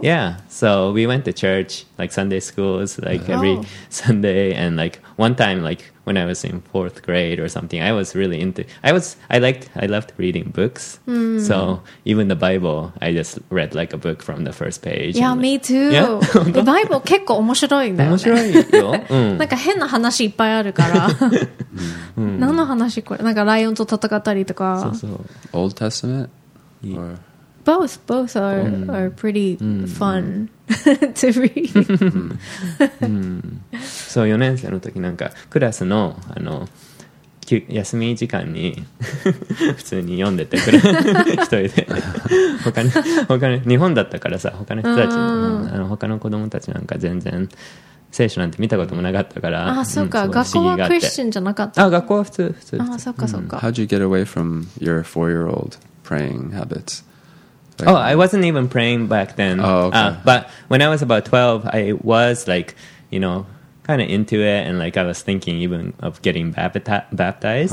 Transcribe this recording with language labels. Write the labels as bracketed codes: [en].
[en] Yeah. So we went to church, like Sunday schools, like every Sunday. And like one time, like when I was in fourth grade or something, I was really into, I loved reading books. Mm. So even the Bible, I just read like a book from the first page. Yeah, like, me too. Yeah? The Bible [ja] 結構面白いんだよね。面白いよ。なんか変な話いっぱいあるから。何の話これ？なんかライオンと戦ったりとか。そうそう。 [en] Old Testament? Yeah. Or... Both are pretty fun to read. [ja] So, 4年生の時なんかクラスのあの休み時間に普通に読んでてくれ一人で他の日本だったからさ他の人たちあの他の子供たちなんか全然聖書なんて見たこともなかったからあそうか、学校はクリスチャンじゃなかったあ学校は普通あそうかそうか [en] How'd you get away from your 4-year-old praying habits? Oh, I wasn't even praying back then. Oh, okay. But when I was about 12, I was like, you know, kind of into it. And like, I was thinking even of getting baptized.